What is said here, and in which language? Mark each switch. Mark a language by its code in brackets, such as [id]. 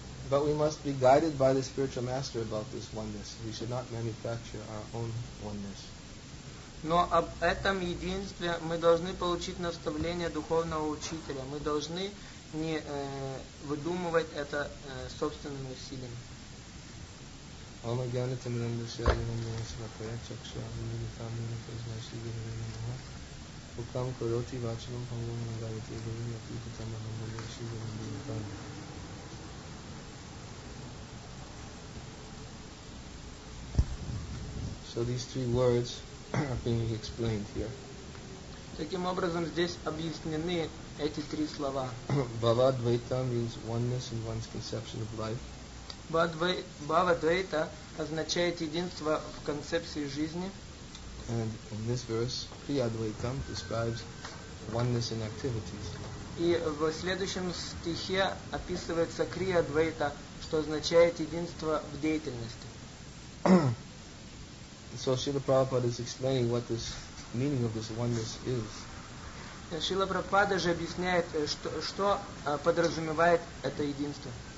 [en] But we must be guided by the spiritual master about this oneness. We should not manufacture our own oneness. [ru] Но об этом единстве мы должны получить наставление духовного учителя. Мы должны не выдумывать это собственными усилиями. Ом агьяна тамиранда шарина мьяна сватая чакша амини тамина казна шигина рина маха Укам кароти вачанам хамгам нагарите гавин апита тамахам бодя шигина рина тамина. [en] So these three words being explained here. [ru] Таким образом, здесь объяснены эти три слова. [en] Bhava-dvaita means oneness in one's conception of life. [ru] Bhava-dvaita означает единство в концепции жизни. [en] And in this verse, Kriya-dvaita describes oneness in activities. [ru] И в следующем стихе описывается Kriya-dvaita, что означает единство в деятельности. [en] So Srila Prabhupada is explaining what this meaning of this oneness is. [ru] Srila Prabhupada же объясняет, что подразумевает это единство.